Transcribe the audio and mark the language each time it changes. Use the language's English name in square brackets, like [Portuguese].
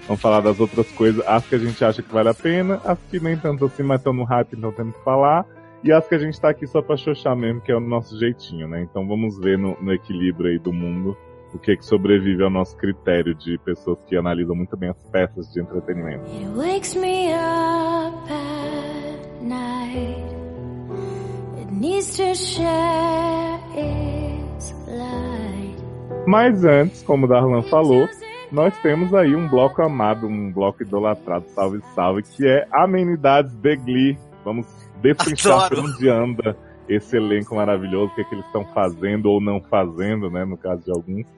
[Portuguese] Vamos falar das outras coisas, as que a gente acha que vale a pena, as que nem tanto assim, mas estão no hype, então temos que falar. E as que a gente tá aqui só pra xoxar mesmo, que é o nosso jeitinho, né? Então vamos ver no equilíbrio aí do mundo. O que é que sobrevive ao nosso critério de pessoas que analisam muito bem as peças de entretenimento. [English] It wakes me up at night. It needs to share its light. [Portuguese] Mas antes, como o Darlan falou, nós temos aí um bloco amado, um bloco idolatrado, salve salve, que é Amenidades de Glee. Vamos destrinchar pra onde anda esse elenco maravilhoso, o que é que eles estão fazendo ou não fazendo, né, no caso de alguns.